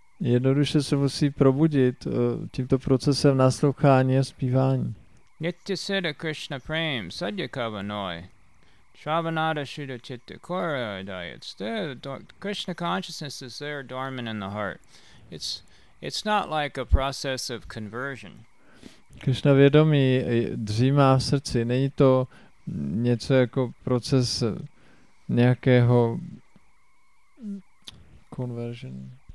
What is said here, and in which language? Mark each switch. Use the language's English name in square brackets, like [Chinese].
[Czech] Jednoduše se musí probudit tímto procesem naslouchání a zpívání. [Sanskrit] Nitya Siddha Krishna Prem Sadhya Kavanoi Shravanada Shuddha Chitta Kora [English] It's there. Krishna consciousness is there dormant in the heart. It's not like a process of conversion. [Czech] Krishna vědomí dřímá v srdci. Není to něco jako proces nějakého conversion.